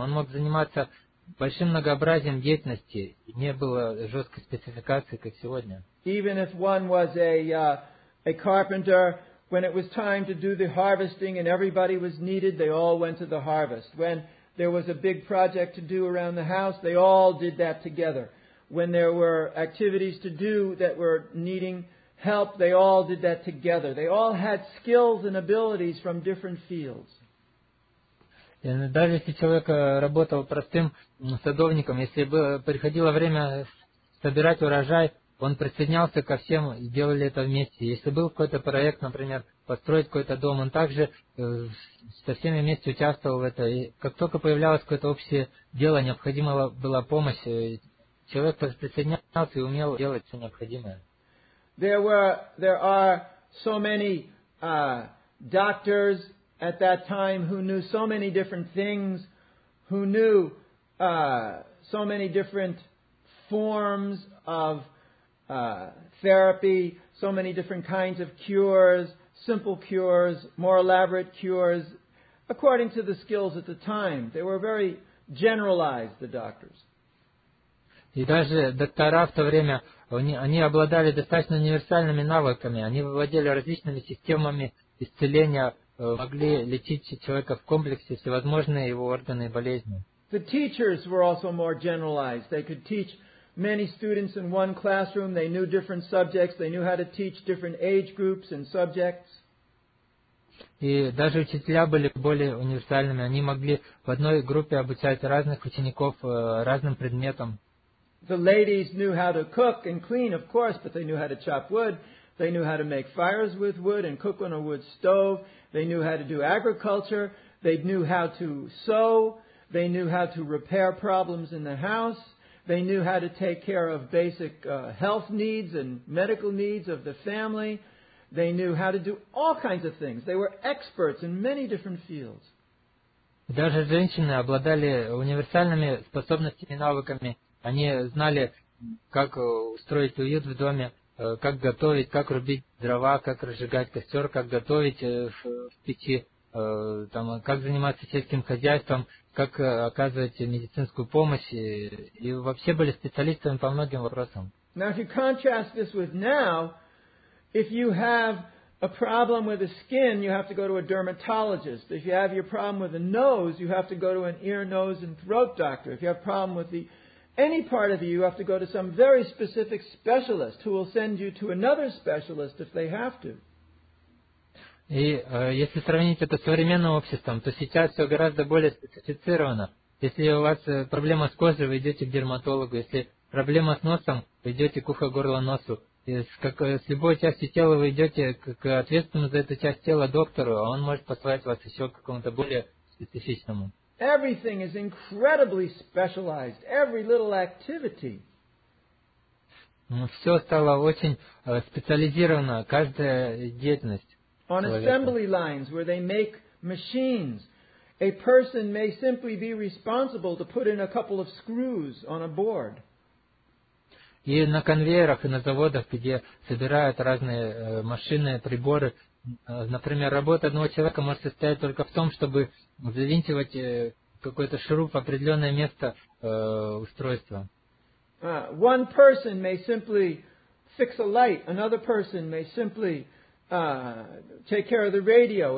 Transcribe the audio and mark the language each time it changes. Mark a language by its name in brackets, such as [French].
[Russian] Он мог заниматься большим многообразием деятельности. Не было жесткой спецификации, как сегодня. [English] Even if one was a carpenter, when it was time to do the harvesting and everybody was needed, they all went to the harvest. When there was a big project to do around the house, they all did that together. When there were activities to do that were needing help, they all did that together. They all had skills and abilities from different fields. And [Russian] даже если человек работал простым садовником, если бы приходило время собирать урожай, он присоединялся ко всем, сделали это вместе. Если был какой-то проект, например, построить какой-то дом, он также со всеми вместе участвовал в этом. И как только появлялось какое-то общее дело, необходима была помощь, человек присоединялся и умел делать все необходимое. [English] There are so many doctors at that time who knew so many different things, who knew so many different forms of therapy, so many different kinds of cures, simple cures, more elaborate cures, according to the skills at the time. They were very generalized, the doctors. [Russian] И даже доктора в то время, они обладали достаточно универсальными навыками. Они владели различными системами исцеления, могли лечить человека в комплексе всевозможные его органы и болезни. [English] The teachers were also more generalized. They could teach many students in one classroom. They knew different subjects. They knew how to teach different age groups and subjects. [Russian] И даже учителя были более универсальными. Они могли в одной группе обучать разных учеников разным предметам. [English] The ladies knew how to cook and clean, of course, but they knew how to chop wood. They knew how to make fires with wood and cook on a wood stove. They knew how to do agriculture. They knew how to sew. They knew how to repair problems in the house. They knew how to take care of basic health needs and medical needs of the family. They knew how to do all kinds of things. They were experts in many different fields. [Russian] Даже женщины обладали универсальными способностями и навыками. Они знали, как устроить уют в доме, как готовить, как рубить дрова, как разжигать костер, как готовить в печи, там, как заниматься сельским хозяйством, как оказывать медицинскую помощь. И вообще были специалистами по многим вопросам. [English] Now, if you contrast this with now, if you have a problem with the skin, you have to go to a dermatologist. If you have your problem with the nose, you have to go to an ear, nose, and throat doctor. If you have a problem with the any part of you, you have to go to some very specific specialist who will send you to another specialist if they have to. [Russian] И если сравнить это с современным обществом, то сейчас все гораздо более специфицировано. Если у вас проблема с кожей, вы идете к дерматологу. Если проблема с носом, вы идете к ухо-горло-носу. С любой частью тела вы идете к ответственному за эту часть тела доктору, а он может послать вас еще к какому-то более специфичному. [English] Everything is incredibly specialized. Every little activity. [Russian] Все стало очень специализировано, каждая деятельность. [English] On assembly lines where they make machines, a person may simply be responsible to put in a couple of screws on a board. [Russian] И на конвейерах и на заводах, где собирают разные машины, приборы, например, работа одного человека может состоять только в том, чтобы завинчивать какой-то шуруп в определенное место устройства. [English] One person may simply fix a light. Another person may simply take care of the radio.